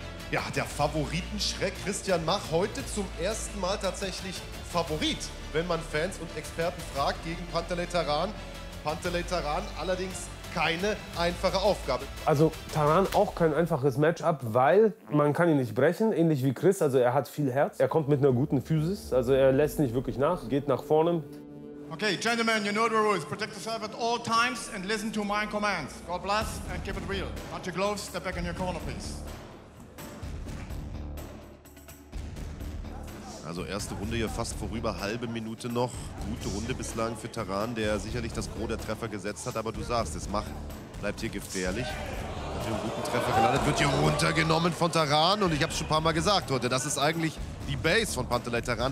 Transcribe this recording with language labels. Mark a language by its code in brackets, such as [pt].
[de] Ja, der Favoritenschreck Christian Mach heute zum ersten Mal tatsächlich Favorit, wenn man Fans und Experten fragt, gegen Pantelej Taran. Pantelej Taran allerdings keine einfache Aufgabe. Also Taran auch kein einfaches Matchup, weil man kann ihn nicht brechen, ähnlich wie Chris. Also er hat viel Herz, er kommt mit einer guten Physis, also er lässt nicht wirklich nach, geht nach vorne. [en] Okay, gentlemen, you know the rules. Protect yourself at all times and listen to my commands. God bless and keep it real. Not your gloves, step back in your corner, please. [de] Also erste Runde hier fast vorüber, halbe Minute noch. Gute Runde bislang für Taran, der sicherlich das Gros der Treffer gesetzt hat. Aber du sagst es, Mach bleibt hier gefährlich. Hat hier einen guten Treffer gelandet, wird hier runtergenommen von Taran. Und ich habe es schon ein paar Mal gesagt heute, das ist eigentlich die Base von Pantelej Taran.